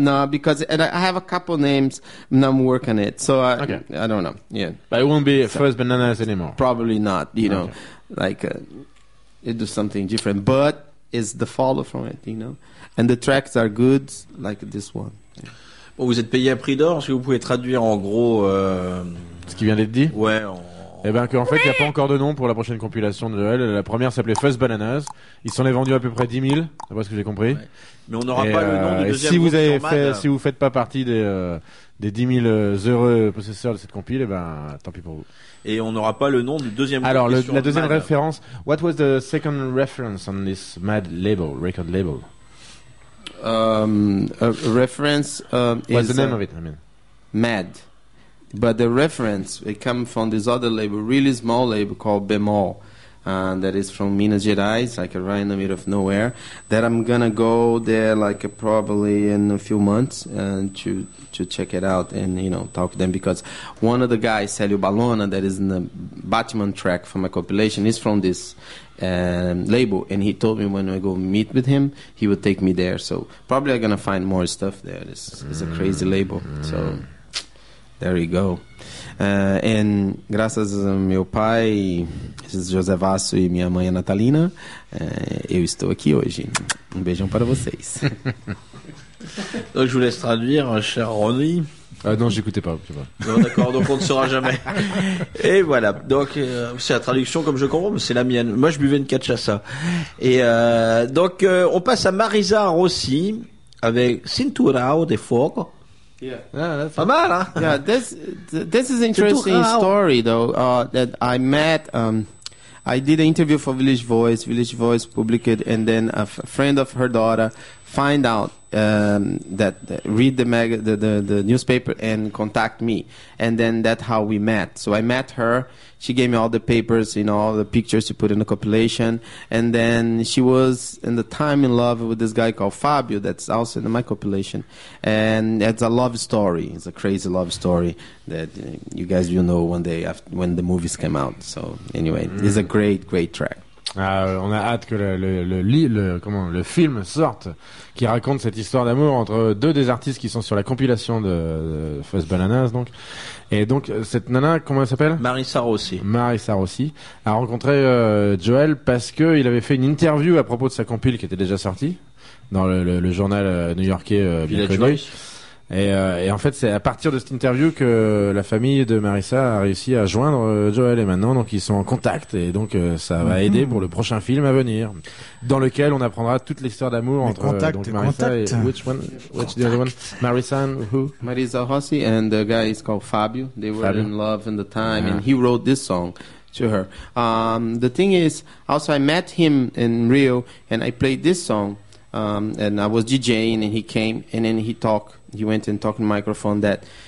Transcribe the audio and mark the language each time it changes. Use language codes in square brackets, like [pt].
[en] Because and I have a couple names and I'm working it. So I don't know. Yeah, but it won't be Fuzz Bananas anymore. Probably not. You know. Okay. Like it does something different, but it's the follow from it, you know. And the tracks are good, like this one. [fr] Bon, vous êtes payé à prix d'or. Est-ce que vous pouvez traduire en gros ce qui vient d'être dit? Ouais. Eh ben, qu'en fait, il n'y a pas encore de nom pour la prochaine compilation de Joël. La première s'appelait Fuzz Bananas. Ils s'en est vendus à peu près 10 000, d'après ce que j'ai compris. Ouais. Mais on n'aura pas le nom du deuxième. Si vous avez fait, si vous faites pas partie des 10 000 heureux possesseurs de cette compile, eh ben, tant pis pour vous. Et on n'aura pas le nom du deuxième. Alors, la deuxième référence. [en] What was the second reference on this MAD label, record label? Reference. What's the name of it? I mean, MAD. But the reference, it comes from this other label, really small label called Bemol, that is from Minas Gerais, like right in the middle of nowhere, that I'm going to go there like probably in a few months to check it out and, you know, talk to them. Because one of the guys, Célio Balona, that is in the Batman track from a compilation, is from this label. And he told me when I go meet with him, he would take me there. So probably I'm going to find more stuff there. It's a crazy label, so... There you go. [pt] And graças a meu pai, José Vasso, e minha mãe Natalina, eu estou aqui hoje. Um beijão para vocês. [fr] Donc, je vous laisse traduire, cher Ronny. Non, j'écoutais pas. Tu vois. Non, d'accord, donc on ne saura jamais. Et voilà. Donc, c'est la traduction comme je comprends, mais c'est la mienne. Moi, je buvais une cachaça. Et donc, on passe à Marisa Rossi avec Cinturão de Fogo. [en] Yeah, that's right. Yeah, this is interesting story though that I met. I did an interview for Village Voice. Village Voice published, and then a friend of her daughter find out read the newspaper and contact me, and then that's how we met. So I met her. She gave me all the papers, you know, all the pictures to put in the compilation, and then she was in the time in love with this guy called Fabio, that's also in my compilation, and it's a love story. It's a crazy love story that you guys will know one day after, when the movies came out. So anyway, it's a great, great track. [fr] On a hâte que le film sorte, qui raconte cette histoire d'amour entre deux des artistes qui sont sur la compilation de Fuzz Bananas. Donc. Et donc, cette nana, comment elle s'appelle ? Marisa Rossi, a rencontré Joël parce qu'il avait fait une interview à propos de sa compile qui était déjà sortie dans le journal new-yorkais Village Voice. Et en fait, c'est à partir de cette interview que la famille de Marisa a réussi à joindre Joël, et maintenant, donc ils sont en contact, et donc ça va aider pour le prochain film à venir, dans lequel on apprendra toute l'histoire d'amour entre Marisa et [en] which the other one? Marisa and who? Marisa Rossi and the guy is called Fabio. They were Fabio. In love in the time, and he wrote this song to her. The thing is, also I met him in Rio, and I played this song, and I was DJing, and he came, and then he talked. He went and talked to the microphone that